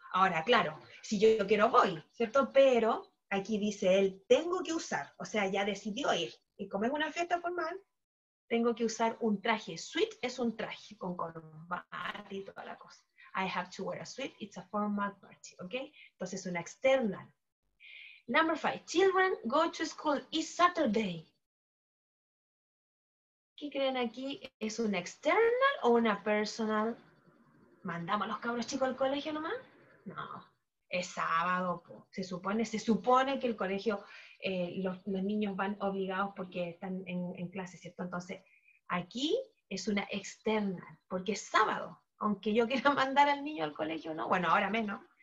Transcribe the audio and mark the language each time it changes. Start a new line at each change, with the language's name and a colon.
Spanish: Ahora, claro, si yo quiero voy, ¿cierto? Pero aquí dice él, tengo que usar. O sea, ya decidió ir. Y como es una fiesta formal, tengo que usar un traje. Suit es un traje con corbata y toda la cosa.
English: I have to wear a suit. It's a formal party, ¿ok?
Spanish: Entonces, una externa.
English: Number five, children go to school, it's Saturday.
Spanish: ¿Qué creen aquí? ¿Es una external o una personal? ¿Mandamos a los cabros chicos al colegio nomás? No, Es sábado, po. Se supone que el colegio, los niños van obligados porque están en clase, ¿cierto? Entonces, aquí es una externa, porque es sábado, aunque yo quiera mandar al niño al colegio, ¿no? Bueno, ahora menos.